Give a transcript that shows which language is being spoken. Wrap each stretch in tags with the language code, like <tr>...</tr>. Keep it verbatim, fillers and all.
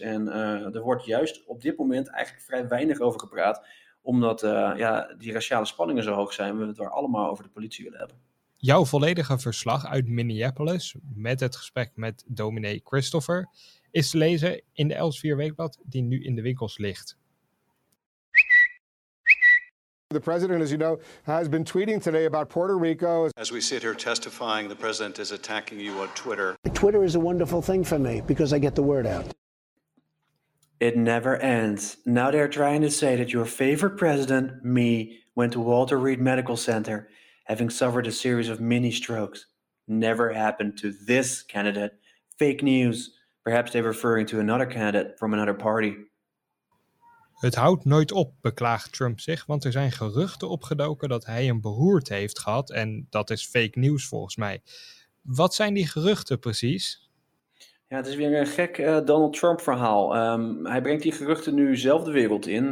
<nl>En uh, er wordt juist op dit moment eigenlijk vrij weinig over gepraat, omdat uh, ja, die raciale spanningen zo hoog zijn, we het er allemaal over de politie willen hebben. Jouw volledige verslag uit Minneapolis, met het gesprek met dominee Christopher, is te lezen in de Elsevier Weekblad die nu in de winkels ligt.</nl> <en>The president, as you know, has been tweeting today about Puerto Rico. As we sit here testifying, the president is attacking you on Twitter. Twitter is a wonderful thing for me because I get the word out. It never ends. Now they're trying to say that your favorite president, me, went to Walter Reed Medical Center, having suffered a series of mini strokes. Never happened to this candidate. Fake news. Perhaps they're referring to another candidate from another party.</en> <nl>Het houdt nooit op, beklaagt Trump zich, want er zijn geruchten opgedoken dat hij een beroerte heeft gehad en dat is fake nieuws volgens mij. Wat zijn die geruchten precies? Ja, het is weer een gek uh, Donald Trump verhaal. Um, hij brengt die geruchten nu zelf de wereld in.</nl>